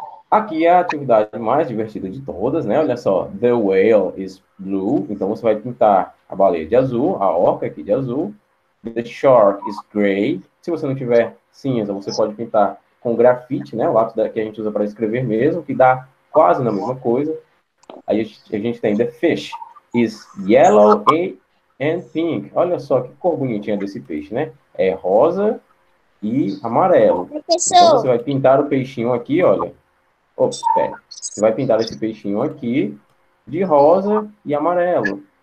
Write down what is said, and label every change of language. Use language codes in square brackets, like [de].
[pt] Aqui é a atividade mais divertida de todas, né? Olha só. [en] The whale is blue. [pt] Então você vai pintar a baleia de azul, a orca aqui de azul. [en] The shark is gray. [pt] Se você não tiver cinza, você pode pintar com grafite, né? O lápis que a gente usa para escrever mesmo, que dá quase na mesma coisa. Aí a gente tem [en] the fish is yellow and pink. [pt] Olha só que cor bonitinha desse peixe, né? É rosa e amarelo. Então você vai pintar o peixinho aqui, olha. Ops, pera. Você vai pintar esse peixinho aqui de rosa e amarelo.